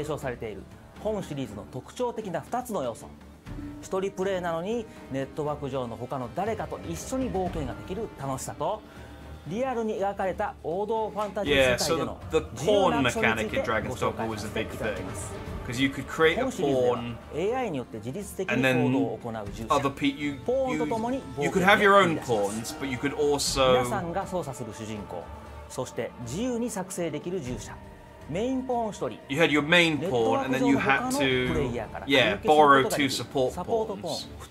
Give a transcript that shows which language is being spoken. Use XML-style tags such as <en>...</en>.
<ja>10年の時を経てドラゴンズドグマ2が正当な続編として登場します。本日はドラゴンズドグマ2にも継承されている本シリーズの特徴的な 2つの要素、 1人プレイなのにネットワーク上の他の誰かと一緒に冒険ができる楽しさと、リアルに描かれた王道ファンタジー世界での重要な処理について。</ja> <en>Yeah, so the pawn mechanic in Dragon's Dogma was a big thing. Because you could create a pawn, AI</en> <ja>によって自律的に行動を行う従者。</ja> <en>And then other people, you could have your own pawns, but you could also</en> <ja>皆さんが操作する主人公、そして自由に作成できる従者。</ja> <en>Main pawn 1人。 You had your main pawn, and then you had to borrow two support pawns.</en>